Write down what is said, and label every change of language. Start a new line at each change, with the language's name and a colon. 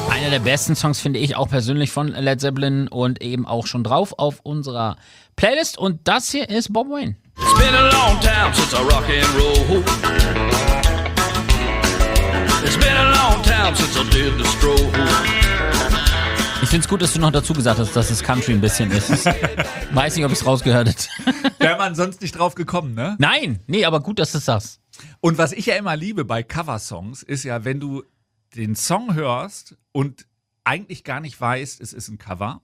German: Der besten Songs finde ich auch persönlich von Led Zeppelin und eben auch schon drauf auf unserer Playlist. Und das hier ist Bob Wayne.
English: It's been a long time since I rock and roll. It's been a long time since I did the stroll.
German: Ich finde es gut, dass du noch dazu gesagt hast, dass es Country ein bisschen ist. Weiß nicht, ob ich es rausgehört habe. Wäre man sonst nicht drauf gekommen, ne? Nein, nee, aber gut, dass es das. Und was ich ja immer liebe bei Coversongs ist ja, wenn du den Song hörst und eigentlich gar nicht weißt, es ist ein Cover.